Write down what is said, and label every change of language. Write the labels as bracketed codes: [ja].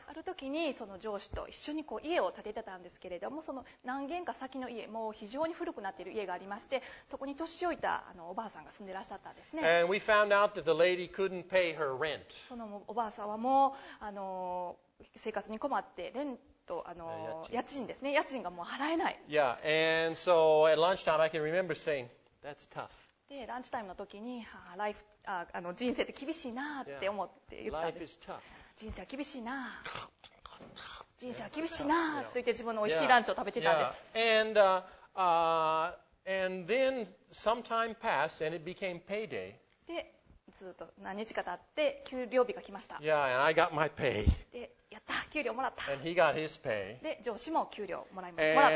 [ja] ある時にその上司と一緒にこう家を建てたんですけれども、その何軒か先の家、もう非常に古くなっている家がありまして、そこに年老いたあのおばあさんが住んでらっしゃったんですね。 [en] And we found out that the lady couldn't pay her rent. [ja] そのおばあさんはもうあの生活に困って、レント、あの家賃ですね、家賃がもう払えない。 [en] Yeah, and so at lunchtime I can remember saying, that's tough. [ja] でランチタイムの時に、あの人生って厳しいなって思って言ったんです。 [en] Yeah. [ja] 人生は厳しいな、人生は厳しいなと言って自分の美味しいランチを食べてたんです。 [en] Yeah. Yeah. And, and then some time passed and it became payday. [ja] でずっと何日か経って給料日が来ました。 [en] Yeah, and I got my pay. [ja] でやった給料もらった。 [en] And he got his pay. [ja] で上司も給料もらったというかね。